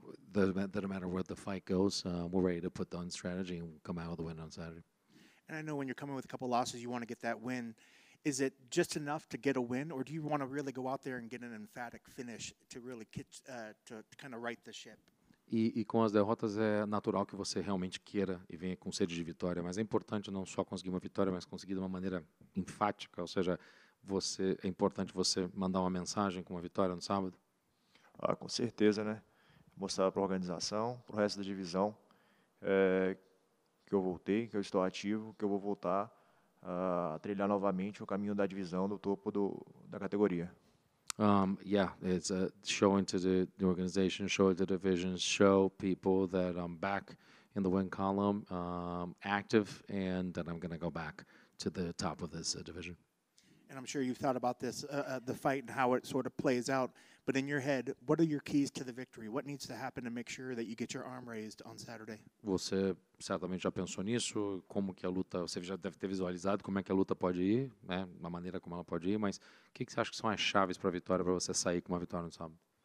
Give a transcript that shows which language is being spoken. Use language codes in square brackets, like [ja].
[en] Doesn't matter where the fight goes, we're ready to put on strategy and come out with a win on Saturday. And I know when you're coming with a couple losses, you want to get that win. Is it just enough to get a win, or do you want to really go out there and get an emphatic finish to really to kind of right the ship? [pt] E com as derrotas é natural que você realmente queira e venha com sede de vitória, mas é importante não só conseguir uma vitória, mas conseguir de uma maneira enfática, ou seja, é importante você mandar uma mensagem com uma vitória no sábado. Ah, com certeza, né? Mostrar para a organização, para o resto da divisão, que eu voltei, que eu estou ativo, que eu vou voltar a trilhar novamente o caminho da divisão no topo da categoria. [en] It's showing to the organization, showing to the division, show people that I'm back in the win column, active, and that I'm going to go back to the top of this division. And I'm sure you've thought about this, the fight and how it sort of plays out. But in your head, what are your keys to the victory? What needs to happen to make sure that you get your arm raised on Saturday? [pt] Você certamente já pensou nisso, como que a luta, você já deve ter visualizado como é que a luta pode ir, né? Uma maneira como ela pode ir, mas o que você acha que são as chaves para a vitória, para você sair com uma vitória no sábado?